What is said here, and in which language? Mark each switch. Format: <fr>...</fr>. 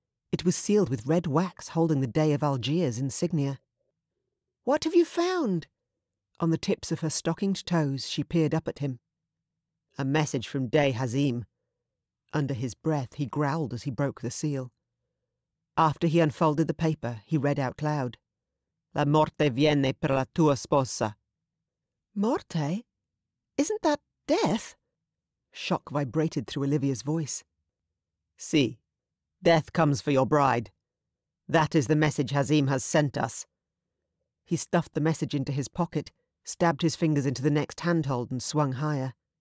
<en>It was sealed with red wax holding the Dey of Algiers insignia. What have you found? On the tips of her stockinged toes, she peered up at him. A message from Dey Hazim. Under his breath, he growled as he broke the seal. After he unfolded the paper, he read out loud.</en> <it>La morte viene per la tua sposa.</it> <en>Morte? Isn't that death? Shock vibrated through Olivia's voice.</en> <it>Si.</it> <en>Death comes for your bride. That is the message Hazim has sent us. He stuffed the message into his pocket, stabbed his fingers into the next handhold and swung higher.</en>